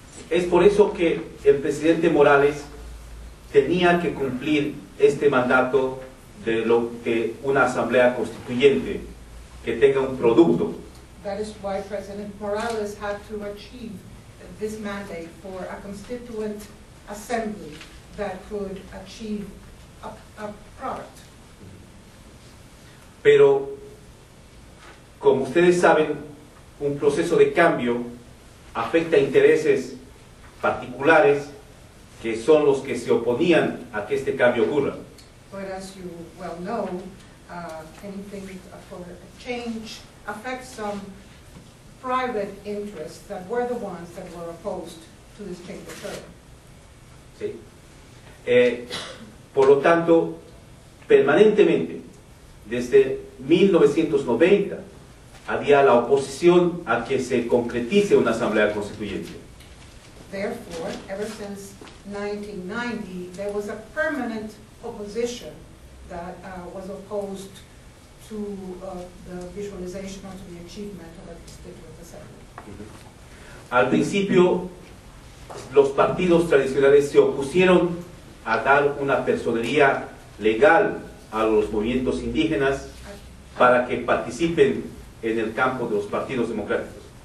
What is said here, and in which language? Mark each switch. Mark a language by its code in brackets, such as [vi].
[es] Es por eso que el presidente Morales tenía que cumplir este mandato de lo que una asamblea constituyente que tenga un producto. [en] That is why President Morales had to achieve this mandate for a constituent assembly that could achieve a product. [es] Pero, como ustedes saben, un proceso de cambio afecta intereses particulares que son los que se oponían a que este cambio ocurra. [en] But as you well know, anything for a change affects some private interests that were the ones that were opposed to this change occurring. [es] Sí. Por lo tanto, permanentemente, desde 1990, había la oposición a que se concretice una asamblea constituyente. [en] Therefore, ever since 1990, there was a permanent opposition that was opposed to the visualization or to the achievement of a constituent. [es] Al principio, los partidos tradicionales se opusieron a dar una personería legal a los movimientos indígenas para que participen en el campo de los partidos democráticos.